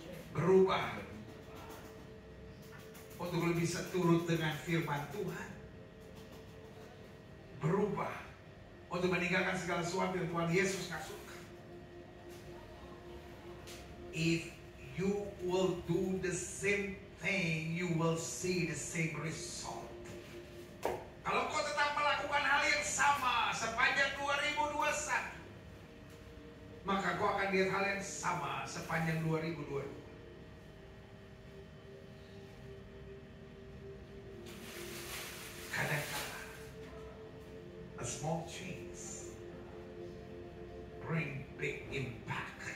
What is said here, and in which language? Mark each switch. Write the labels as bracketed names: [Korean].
[Indonesian] Berubah untuk lebih seturut dengan firman Tuhan. Berubah untuk meninggalkan segala sesuatu yang Tuhan Yesus gak suka. [English] If you will do the same thing, you will see the same result. [Indonesian] Kalau kau tetap melakukan hal yang sama sepanjang 2021, maka kau akan lihat hal yang sama sepanjang 2022. Kadang-kadang [English] a small change bring big impact.